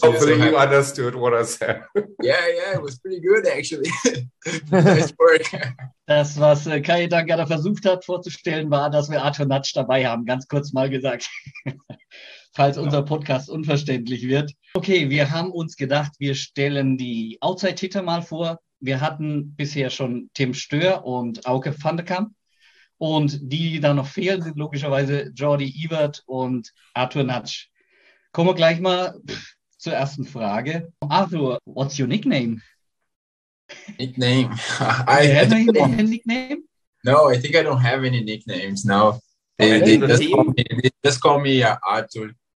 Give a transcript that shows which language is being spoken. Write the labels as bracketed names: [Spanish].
[English] Hopefully you understood what I said. Yeah, it was pretty good actually. Nice work. [German] Das, was Kai Dankara versucht hat vorzustellen, war, dass wir Arthur Natsch dabei haben, ganz kurz mal gesagt, falls unser Podcast unverständlich wird. Okay, wir haben uns gedacht, wir stellen die Outside-Hitter mal vor. Wir hatten bisher schon Tim Stöhr und Auke van de Kamp. Und die, die da noch fehlen, sind logischerweise Jordi Ewert und Arthur Natsch. Kommen wir gleich mal zur ersten Frage. [English] Arthur, what's your nickname? Nickname? Do you have a nickname? No, I think I don't have any nicknames now. They just call me Arthur.